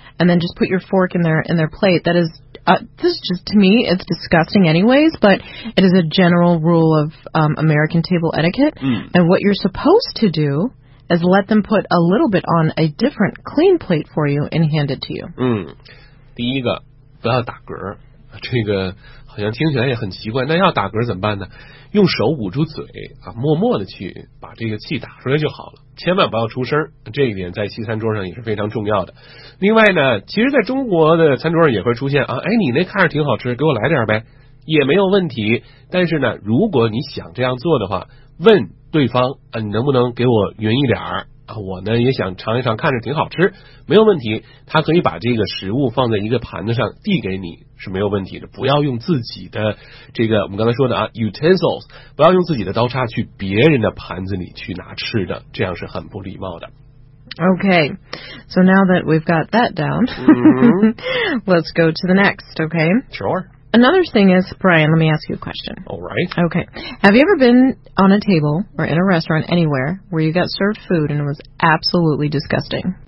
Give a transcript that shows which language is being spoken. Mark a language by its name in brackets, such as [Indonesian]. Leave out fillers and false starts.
[English] And then just put your fork in their plate. That is, this is just, to me, it's disgusting anyways, but it is a general rule of American table etiquette. And what you're supposed to do is let them put a little bit on a different clean plate for you and hand it to you. [Chinese] 第一个, 不要打嗝, 好像听起来也很奇怪, 那要打嗝怎么办呢? 用手捂住嘴, 啊, 默默地去把这个气打出来就好了, 千万不要出声, 这一点在西餐桌上也是非常重要的。另外呢, 其实在中国的餐桌上也会出现, 啊, 哎, 你那看着挺好吃, 给我来点呗, 也没有问题, 但是呢, 如果你想这样做的话, 问对方, 啊, 你能不能给我匀一点, 啊, 我呢, 也想尝一尝, 看着挺好吃, 没有问题, 他可以把这个食物放在一个盘子上, 递给你, 是没有问题的, 不要用自己的这个, 我们刚才说的啊, utensils, 不要用自己的刀叉去别人的盘子里去拿吃的, 这样是很不礼貌的。 [English] Okay, so now that we've got that down, let's go to the next, okay? Sure. Another thing is, Brian, let me ask you a question. All right. Okay. Have you ever been on a table or in a restaurant anywhere where you got served food and it was absolutely disgusting?